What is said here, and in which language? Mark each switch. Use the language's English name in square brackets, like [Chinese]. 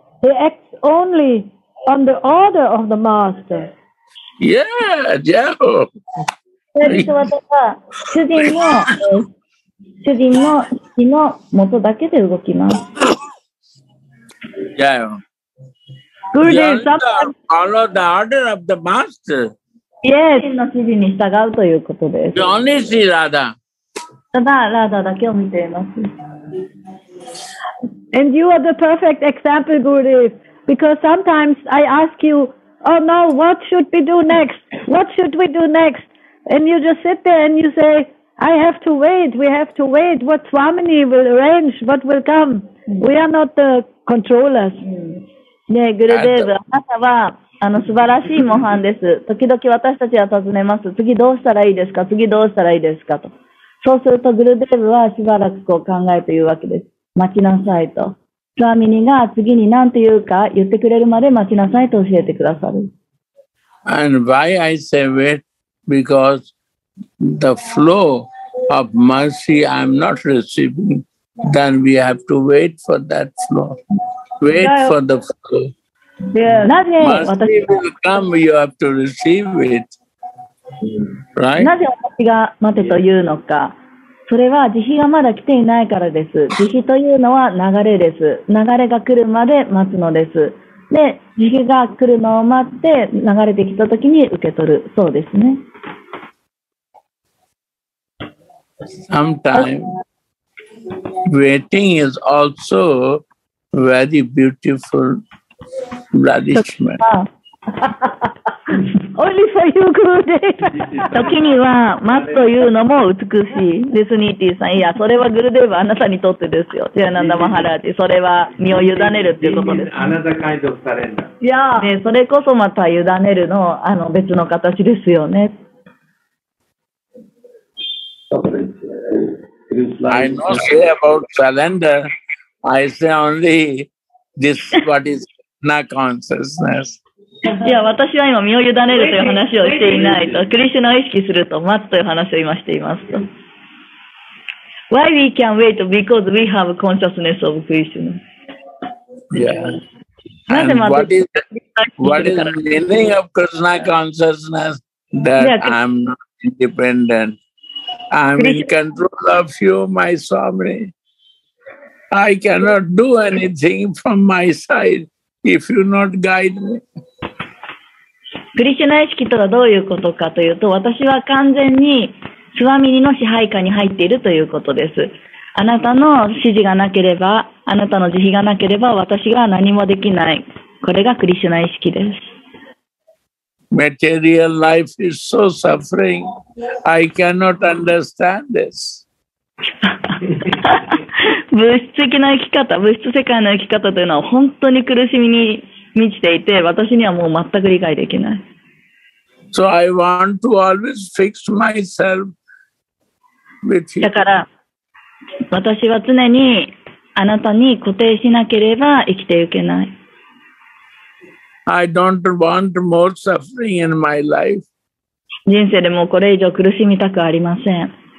[English] He acts only on the order of the master. Yeah, ジャイホー。 [Japanese] そういう人は、主人の、主人の指揮の元だけで動きます。 [English] Yeah. Good day, sir. Follow the order of the master. Yes. [Japanese] 主人の指示に従うということです。 [English] You only see Radha. [Japanese] ただ、ラダだけを見ています。 [English] And you are the perfect example, Gurudev. Because sometimes I ask you, oh no, what should we do next? What should we do next? And you just sit there and you say, I have to wait, we have to wait. What Swamini will arrange, what will come? We are not the... controllers. [Japanese] ねえ、グルデーブ、あなたは、素晴らしい模範です。時々私たちは尋ねます。次どうしたらいいですか?次どうしたらいいですか?と。そうすると、グルデーブはしばらくこう考えというわけです。待ちなさいと。スワミニが次に何て言うか言ってくれるまで待ちなさいと教えてくださる。 [English] And why I say wait? Because the flow of mercy I'm not receiving. Then we have to wait for that flow. Wait for the flow. Yeah. Mercy will come, you have to receive it. Right? [Japanese] なぜ私が待てというのか。それは慈悲がまだ来ていないからです。慈悲というのは流れです。流れが来るまで待つのです。で、慈悲が来るのを待って、流れてきたときに受け取る。そうですね。 [English] Sometime. Waiting is also very beautiful blandishment. Only for you, Gurudev. [Japanese] 時には待つというのも美しい。リスニーティーさん、いや、それはグルデーヴ、あなたにとってですよ。ジェアナンダ・マハラージ、それは身を委ねるっていうことです。あなた解読されるんだ。いや、ね、それこそまた委ねるの、別の形ですよね。 [English] I don't say about surrender. I say only this what is Krishna consciousness. [Japanese] いや、私は今身を委ねるという話をしていないと、クリシュナを意識すると待つという話を今していますと。 [English] Why we can wait? Because we have consciousness of Krishna. Yeah. What is meaning of Krishna consciousness? That I'm not independent. I'm in control of you, my Swami. I cannot do anything from my side if you not guide me. [Japanese] クリシュナ意識とはどういうことかというと、私は完全にスワミニの支配下に入っているということです。あなたの指示がなければ、あなたの慈悲がなければ、私が何もできない。これがクリシュナ意識です。 [English] Material life is so suffering. I cannot understand this. [Japanese] 物質的な生き方、物質世界の生き方というのは本当に苦しみに満ちていて、私にはもう全く理解できない。 [English] So I want to always fix myself with you. [Japanese] だから、私は常にあなたに固定しなければ生きていけない。 [English] I don't want more suffering in my life. [Japanese] 人生でもこれ以上苦しみたくありません。